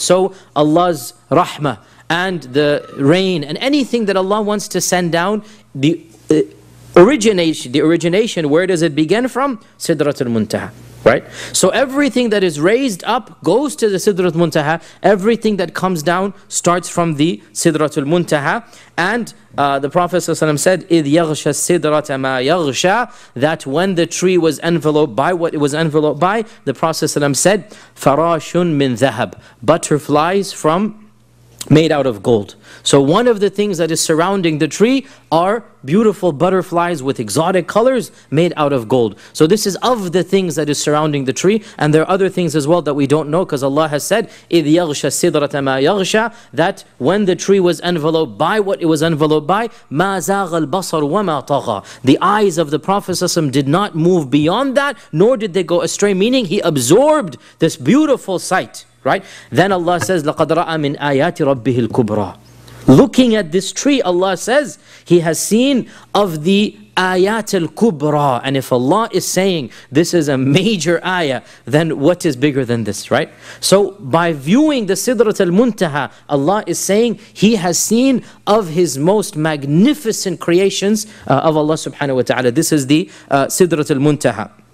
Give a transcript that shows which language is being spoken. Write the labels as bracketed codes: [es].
[en] So Allah's rahmah and the rain and anything that Allah wants to send down, the origination, where does it begin from? Sidratul Muntaha. Right? So everything that is raised up goes to the Sidratul Muntaha. Everything that comes down starts from the Sidratul Muntaha. And the Prophet ﷺ said, [ar] إِذْ يَغْشَ السِّدْرَةَ مَا يَغْشَى. [en] That when the tree was enveloped by what it was enveloped by, the Prophet ﷺ said, [ar] فَرَاشٌ مِّن ذَهَبٌ. [en] Butterflies from made out of gold. So one of the things that is surrounding the tree are beautiful butterflies with exotic colors made out of gold. So this is of the things that is surrounding the tree. And there are other things as well that we don't know, because Allah has said, [ar] إِذْ يَغْشَ السِّدْرَةَ مَا يَغْشَى. [en] That when the tree was enveloped by what it was enveloped by, [ar] مَا زَاغَ الْبَصَرُ وَمَا طَغَى. [en] The eyes of the Prophet ﷺ did not move beyond that, nor did they go astray. Meaning he absorbed this beautiful sight. Right? Then Allah says, [ar] لَقَدْ رَأَى مِنْ آيَاتِ رَبِّهِ الْكُبْرَى. [en] Looking at this tree, Allah says, He has seen of the [ar] آيات الكبرى. [en] And if Allah is saying this is a major ayah, then what is bigger than this, right? So by viewing the Sidratul Muntaha, Allah is saying He has seen of His most magnificent creations of Allah subhanahu wa ta'ala. This is the Sidratul Muntaha.